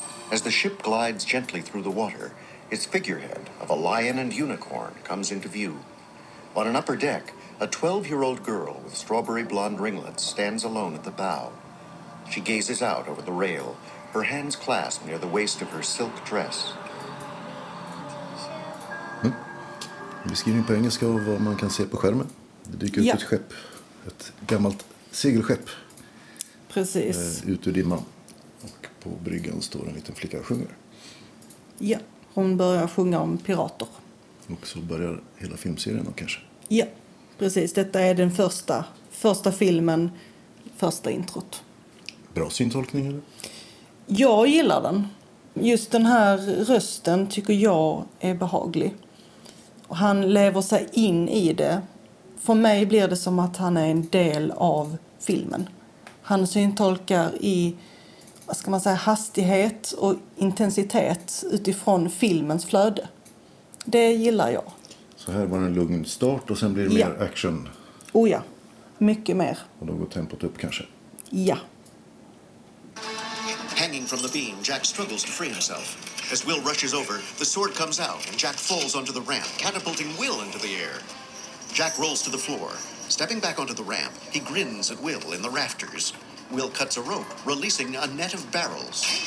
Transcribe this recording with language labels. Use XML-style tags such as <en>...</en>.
<en>As the ship glides gently through the water, its figurehead of a lion and unicorn comes into view. On an upper deck, a 12-year-old girl with strawberry blonde ringlets stands alone at the bow. She gazes out over the rail, her hands clasped near the waist of her silk dress. Mm.</en> <sv>Beskrivning på engelska av vad man kan se på skärmen. Det dyker upp ett skepp, ett gammalt segelskepp. Precis. Ut ur dimman. På bryggan står en liten flicka och sjunger. Ja, hon börjar sjunga om pirater. Och så börjar hela filmserien då kanske? Ja, precis. Detta är den första filmen, första introt. Bra syntolkning eller? Jag gillar den. Just den här rösten tycker jag är behaglig. Och han lever sig in i det. För mig blir det som att han är en del av filmen. Han syntolkar i, vad ska man säga, hastighet och intensitet utifrån filmens flöde. Det gillar jag. Så här var en lugn start och sen blir det mer action? Oh ja, mycket mer. Och då går tempot upp kanske? Ja.</sv> <en>Hanging from the beam, Jack struggles to free himself. As Will rushes over, the sword comes out and Jack falls onto the ramp, catapulting Will into the air. Jack rolls to the floor. Stepping back onto the ramp, he grins at Will in the rafters. Will cuts a rope, releasing a net of barrels.</en>